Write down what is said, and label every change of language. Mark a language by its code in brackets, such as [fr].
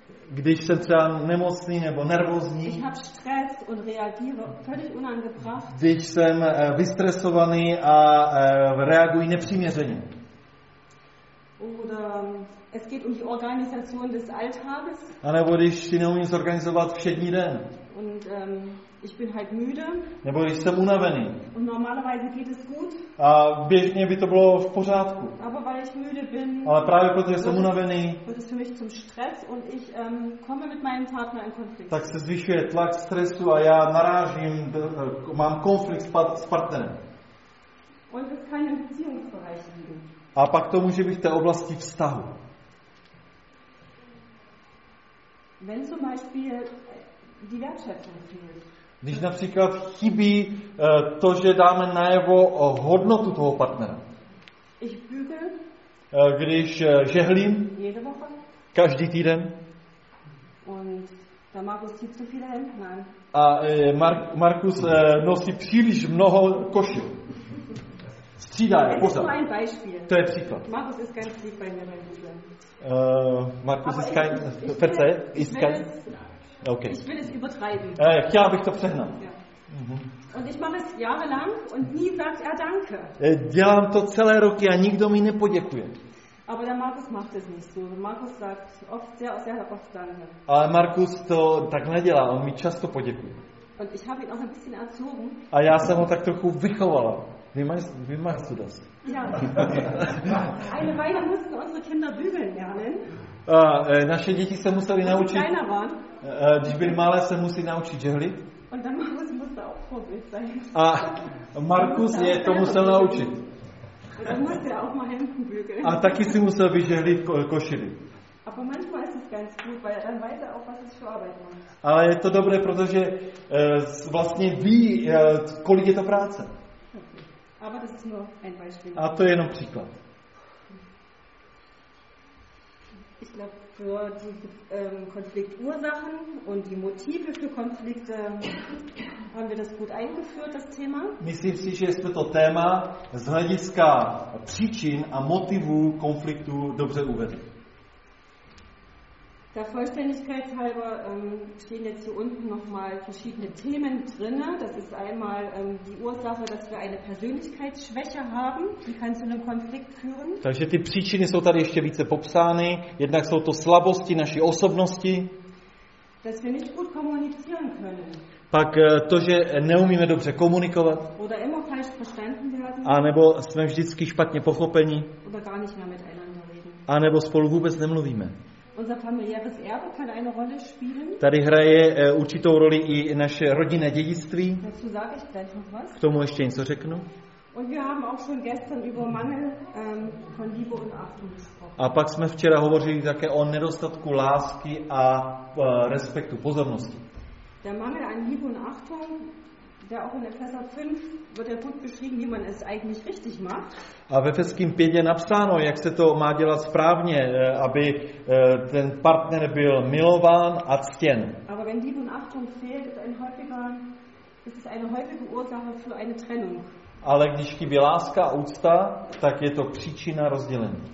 [cs] Když jsem třeba nemocný nebo nervózní. [de] Ich hab Stress und reagiere völlig unangebracht. [cs] Když jsem vystresovaný a reaguji nepřiměřeně. [de] Oder es geht um die Organisation des Alltages. [cs] A nebo když si neumím zorganizovat všední den. [de] Und ich bin halt müde. [cs] Nebo když jsem unavený. [de] Und normalerweise geht es gut. [cs] A běžně by to bylo v pořádku. [de] Aber weil ich müde bin. [cs] Ale právě protože jsem unavený. [de] Wird es für mich zum Stress und ich komme mit meinem Partner in Konflikt. [cs] Tak se zvyšuje tlak stresu a já narážím, mám konflikt s partnerem. [de] Und es kann im Beziehungsbereich liegen. [cs] A pak to může být v té oblasti vztahu. [de] Wenn zum Beispiel die Wertschätzung fehlt. [cs] Když například chybí to, že dáme najevo hodnotu toho partnera. [de] Ich büge. [cs] Když žehlím. [de] Jede Woche. [cs] Každý týden. [de] Und der Markus zieht zu viele Hemden an. [cs] A Markus nosí příliš mnoho košil. Střídá je, pořád. To je příklad. [de] Markus ist kein Flieg bei mir, mein Markus ist kein Verzeih, ist kein. Okay. Ich will es übertreiben. Ja, habe ich doch verstanden. Und ich mache es jahrelang und nie sagt er danke. [cs] Dělám to celé roky a nikdo mi nepoděkuje. [de] Aber der Markus macht es nicht so. Markus sagt oft sehr oft danke. [cs] Ale Markus to tak nedělá, on mi často poděkuje. [de] Und ich habe ihn auch ein bisschen erzogen. [cs] A já jsem ho tak trochu vychovala. [de] Wie machst du das? Ja. Eine Weile mussten unsere Kinder bügeln lernen. [cs] Naše děti se museli naučit. [de] Kleiner waren. [cs] Když byli malé, se musí naučit žehlit. [de] Und dann Markus musste auch vorbild sein. [cs] A Markus je to musel naučit. [de] Und dann musste er auch mal Hemden bügeln. [cs] A taky si musel vyžehlit košily. [de] Aber manchmal ist es ganz gut, weil dann weiß er auch, was es für Arbeit macht. [cs] Ale je to dobré, protože vlastně ví, kolik je to práce. [de] Aber das ist nur ein Beispiel. [cs] A to je jenom příklad. [de] Ich glaube, für die Konfliktursachen und die Motive für Konflikte haben wir das gut eingeführt, das Thema. [cs] Myslím si, že jsme to téma z hlediska příčin a motivů konfliktu dobře uvedli. [de] Der Vollständigkeit halber stehen jetzt hier unten nochmal verschiedene Themen drinne. Das ist einmal die Ursache, dass wir eine Persönlichkeitsschwäche haben, die kann zu einem Konflikt führen. [cs] Takže ty příčiny jsou tady ještě více popsány. Jednak jsou to slabosti naší osobnosti. [de] Dass wir nicht gut kommunizieren können. [cs] Pak to, že neumíme dobře komunikovat. [de] Oder immer falsch verstanden werden. [cs] A nebo jsme vždycky špatně pochopeni. [de] Oder gar nicht mehr miteinander reden. [cs] A nebo spolu vůbec nemluvíme. [de] Unser familiäres Erbe kann eine Rolle spielen. [cs] Tady hraje určitou roli i naše rodinné dědictví. [de] Dazu sage ich gleich noch was. [cs] K tomu ještě něco řeknu. [de] Und wir haben auch schon gestern über Mangel von Liebe und Achtung gesprochen. [cs] A pak jsme včera hovořili také o nedostatku lásky a respektu, pozornosti. [de] Der Mangel an Liebe und Achtung, ja auch in Epheser 5 wird ja gut beschrieben, wie man es eigentlich richtig macht. [cs] A ve Efeským 5 je napsáno, jak se to má dělat správně, aby ten partner byl milován a ctěn. [de] Aber wenn Liebe und Achtung fehlt, ist es eine häufige Ursache für eine Trennung. [cs] Ale když chybí láska a úcta, tak je to příčina rozdělení.